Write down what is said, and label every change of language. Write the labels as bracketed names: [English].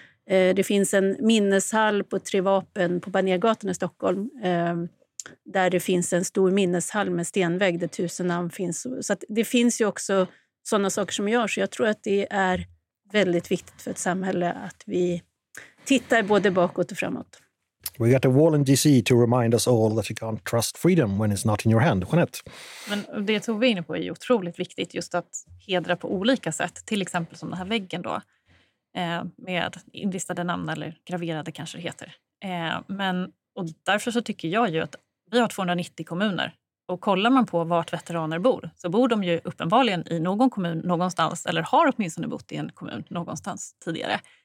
[Swedish] Det finns en minneshall på Tre Vapen på Banergatan i Stockholm, där det finns en stor minneshall med stenvägg där 1000 namn finns. Så att det finns ju också sådana saker som görs. Så jag tror att det är väldigt viktigt för ett samhälle att vi tittar både bakåt och framåt. [English] We got a wall in DC to remind us all that you can't trust freedom when it's not in your hand, Jeanette. [Swedish] Men det tog vi inne på är otroligt viktigt, just att hedra på olika sätt. Till exempel som den här väggen då, med inristade namn, eller graverade kanske det heter. Och därför så tycker jag ju att vi har 290 kommuner. Och kollar man på vart veteraner bor, så bor de ju uppenbarligen i någon kommun någonstans, eller har åtminstone bott i en kommun någonstans tidigare.